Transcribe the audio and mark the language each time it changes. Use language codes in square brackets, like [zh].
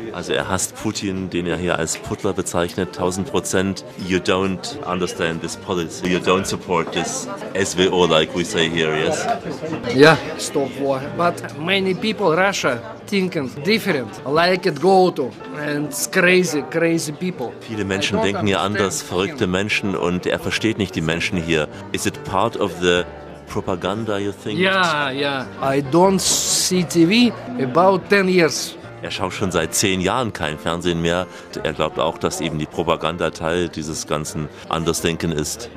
[de] Also er hasst Putin, den er hier als Putler bezeichnet, 1000%. [en] You don't understand this policy, you don't support this SVO, like we say here, yes? Yeah, stop war. But many people, Russia, thinking different, like it go to, and it's crazy, crazy people. [de] Viele Menschen denken hier anders, verrückte Menschen, und er versteht nicht die Menschen hier. [en] Is it part of the... propaganda, you think? Yeah. I don't see TV about 10 years. [de] Er schaut schon seit 10 Jahren kein Fernsehen mehr. Er glaubt auch, dass eben die Propaganda Teil dieses ganzen Andersdenken ist.